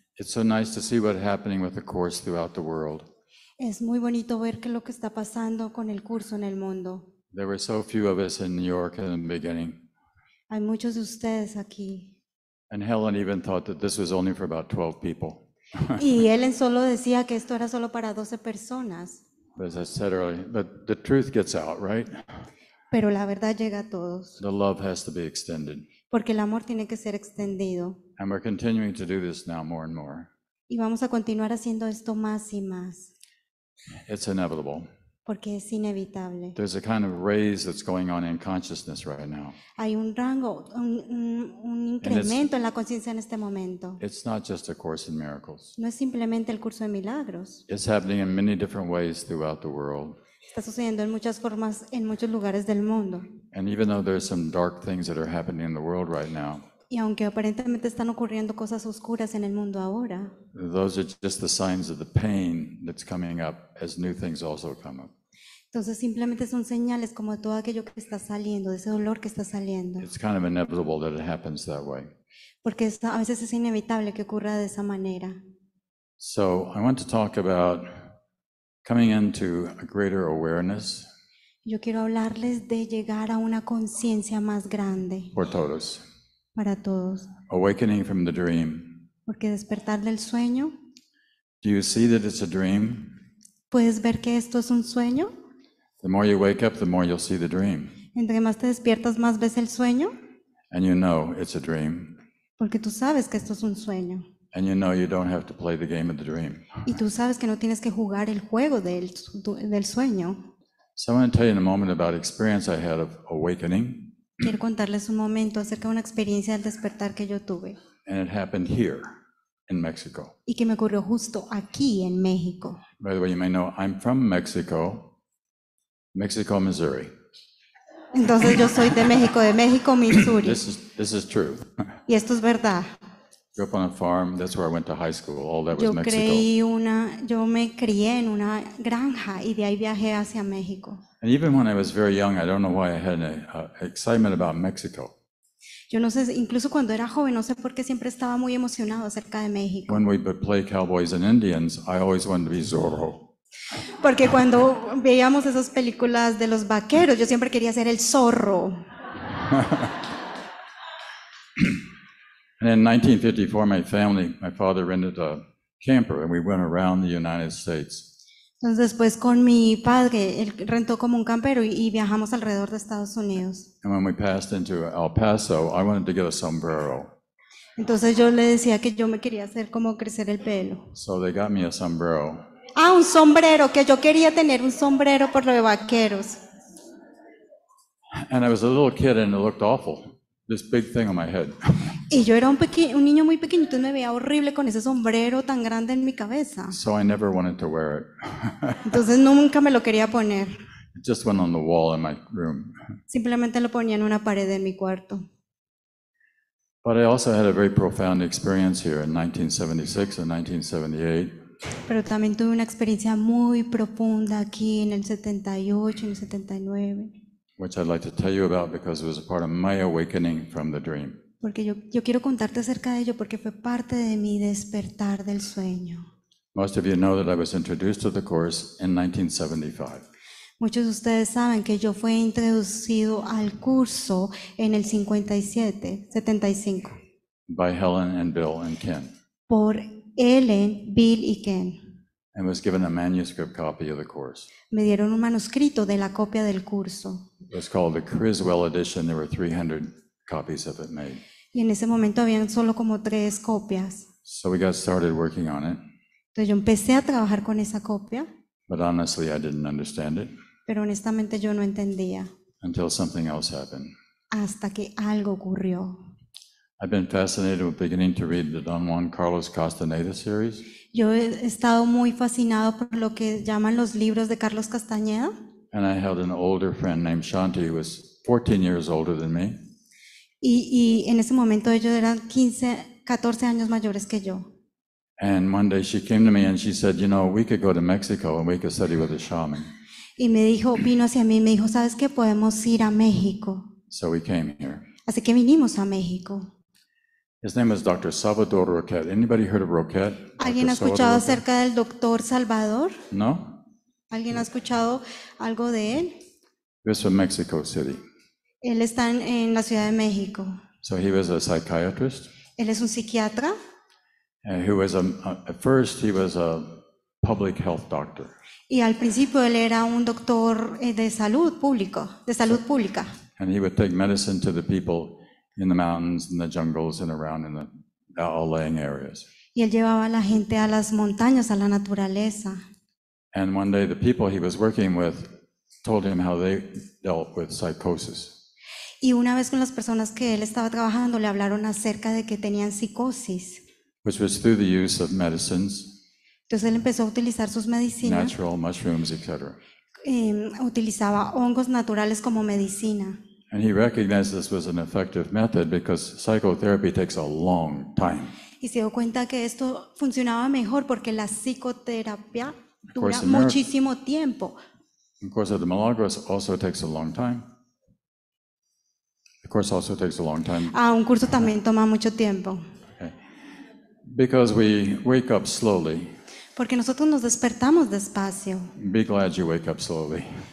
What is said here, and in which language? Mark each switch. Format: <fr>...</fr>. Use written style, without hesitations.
<en>It's so nice to see what's happening with the course throughout the world.</en> <es>Es muy bonito ver qué es lo que está pasando con el curso en el mundo.</es> <en>There were so few of us in New York in the beginning.</en> <es>Hay muchos de ustedes aquí.</es> <en>And Helen even thought that this was only for about 12 people.</en> <es>Y Helen solo decía que esto era solo para 12 personas.</es> <en>But as I said earlier, but the truth gets out, right?</en> <es>Pero la verdad llega a todos.</es> <en>The love has to be extended.</en> <es>Porque el amor tiene que ser extendido.</es> <en>And we're continuing to do this now more and more.</en> <es>Y vamos a continuar haciendo esto más y más.</es> <en>It's inevitable.</en> <es>Porque es inevitable.</es> <en>There's a kind of raise that's going on in consciousness right now.</en> <es>Hay un rango, un incremento en la conciencia en este momento.</es> <en>It's not just a Course in Miracles.</en> <es>No es simplemente el curso de milagros.</es> <en>It's happening in many different ways throughout the world.</en> <es>Está sucediendo en muchas formas en muchos lugares del mundo.</es> <en>And even though there's some dark things that are happening in the world right now,</en> <es>y aunque aparentemente están ocurriendo cosas oscuras en el mundo ahora,</es> <en>those are just the signs of the pain that's coming up as new things also come up.</en> <es>Entonces simplemente son señales como de todo aquello que está saliendo, de ese dolor que está saliendo.</es> <en>It's kind of inevitable that it happens that way.</en> <es>Porque a veces es inevitable que ocurra de esa manera.</es> <en>So I want to talk about coming into a greater awareness.</en> <es>Yo quiero hablarles de llegar a una conciencia más grande.</es> <en>For</en> <es>todos. Para todos.</es> <en>Awakening from the dream.</en> <es>Porque despertar del sueño.</es> <en>Do you see that it's a dream?</en> <es>¿Puedes ver que esto es un sueño?</es> <en>The more you wake up, the more you'll see the dream.</en> <es>Entre más te despiertas, más ves el sueño.</es> <en>And you know it's a dream.</en> <es>Porque tú sabes que esto es un sueño.</es> <en>And you know you don't have to play the game of the dream.</en> <es>Y tú sabes que no tienes que jugar el juego del sueño.</es> <en>So I want to tell you in a moment about experience I had of awakening.</en> <es>Quiero contarles un momento acerca de una experiencia del despertar que yo tuve.</es> <en>And it happened here in Mexico.</en> <es>Y que me ocurrió justo aquí en México.</es> <en>By the way, you may know I'm from Mexico. Mexico, Missouri.</en> <es>Entonces yo soy de México, Missouri.</es> <en>This is true.</en> <es>Y esto es verdad.</es> <en>Grew up on a farm. That's where I went to high school. All that was</en> <es>yo</es> <en>Mexico.</en> <es>Yo me crié en una granja y de ahí viajé hacia México.</es> <en>And even when I was very young, I don't know why I had an excitement about Mexico.</en> <es>Yo no sé, incluso cuando era joven, no sé por qué siempre estaba muy emocionado acerca de México.</es> <en>When we would play cowboys and Indians, I always wanted to be Zorro.</en> <es>Porque cuando veíamos esas películas de los vaqueros, yo siempre quería ser el zorro.</es> <en>And in 1954, my family, my father rented a camper and we went around the United States.</en> <es>Entonces después con mi padre, él rentó como un campero y viajamos alrededor de Estados Unidos.</es> <en>And when we passed into El Paso, I wanted to get a sombrero.</en> <es>Entonces yo le decía que yo me quería hacer como crecer el pelo.</es> <en>So they got me a sombrero.</en> <es>Ah, un sombrero, que yo quería tener un sombrero por lo de vaqueros.</es> <en>And I was a little kid and it looked awful. This big thing on my head.</en> <es>Y yo era un niño muy pequeño, entonces me veía horrible con ese sombrero tan grande en mi cabeza.</es> <en>So I never wanted to wear it.</en> <es>Entonces nunca me lo quería poner.</es> <en>It just went on the wall in my room.</en> <es>Simplemente lo ponía en una pared de mi cuarto.</es> <en>But I also had a very profound experience here in 1976 and 1978.</en> <es>Pero también tuve una experiencia muy profunda aquí en el 78 y en el 79.</es> <en>Which I'd like to tell you about because it was a part of my awakening from the dream.</en> <es>Porque yo quiero contarte acerca de ello porque fue parte de mi despertar del sueño.</es> <en>Most of you know that I was introduced to the course in 1975.</en> <es>Muchos de ustedes saben que yo fui introducido al curso en el 57, 75.</es> <en>By Helen and Bill and Ken.</en> <es>Por Ellen, Bill y Ken.</es> <en>And was given a manuscript copy of the course.</en> <es>Me dieron un manuscrito de la copia del curso.</es> <en>It was called the Criswell edition. There were 300 copies of it made.</en> <es>Y en ese momento habían solo como 3 copias.</es> <en>So we got started working on it.</en> <es>Entonces yo empecé a trabajar con esa copia.</es> <en>But honestly, I didn't understand it.</en> <es>Pero honestamente yo no entendía.</es> <en>Until something else happened.</en> <es>Hasta que algo ocurrió.</es> <en>I've been fascinated with beginning to read the Don Juan Carlos Castaneda series.</en> <es>Yo he estado muy fascinado por lo que llaman los libros de Carlos Castañeda.</es> <en>And I had an older friend named Shanti who was 14 years older than me.</en> <es>Y en ese momento ellos eran 15, 14 años mayores que yo.</es> <en>And one day she came to me and she said, you know, we could go to Mexico and we could study with a shaman.</en> <es>Y me dijo, vino hacia mí y me dijo, ¿sabes qué? Podemos ir a México.</es> <en>So we came here.</en> <es>Así que vinimos a México.</es> <en>His name is Dr. Salvador Roquette. Anybody heard of Roquette?</en> <es>¿Alguien ha escuchado acerca del Dr. Salvador?</es> <en>No.</en> <es>¿Alguien ha escuchado algo de él?</es> <en>He was from Mexico City.</en> <es>Él está en la Ciudad de México.</es> <en>So he was a psychiatrist.</en> <es>Él es un psiquiatra.</es> <en>And he was at first he was a public health doctor.</en> <es>Y al principio él era un doctor de salud público, de salud pública.</es> <en>And he would take medicine to the people in the mountains, in the jungles, and around in the outlying areas.</en> <es>Y él llevaba a la gente a las montañas, a la naturaleza.</es> <en>And one day the people he was working with told him how they dealt with psychosis.</en> <es>Y una vez con las personas que él estaba trabajando le hablaron acerca de que tenían psicosis.</es> <en>Which was through the use of medicines.</en> <es>Entonces él empezó a utilizar sus medicinas.</es> <en>Natural mushrooms, etc.</en> <es>Utilizaba hongos naturales como medicina.</es> <en>And he recognized this was an effective method because psychotherapy takes a long time.</en> <es>Y se dio cuenta que esto funcionaba mejor porque la psicoterapia dura muchísimo tiempo.</es> <en>The course of the Milagros also takes a long time. The course also takes a long time.</en> <es>Ah, un curso también toma mucho tiempo.</es> <en>Because we wake up slowly.</en> <es>Porque nosotros nos despertamos despacio.</es> <en>Be glad you wake up slowly.</en>